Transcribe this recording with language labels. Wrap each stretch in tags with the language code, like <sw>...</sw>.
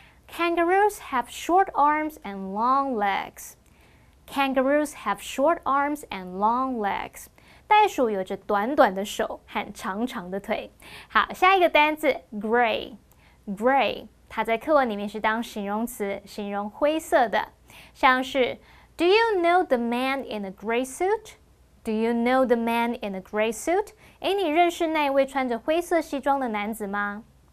<en>Kangaroos have short arms and long legs. Kangaroos have short arms and long legs.</en> <zh>袋鼠有着短短的手和长长的腿。好，下一个单字 gray， 它在课文里面是当形容词，形容灰色的。像是</zh> <en>Do you know the man in a gray suit? Do you know the man in a gray suit?</en> <zh>诶，你认识那位穿着灰色西装的男子吗？</zh>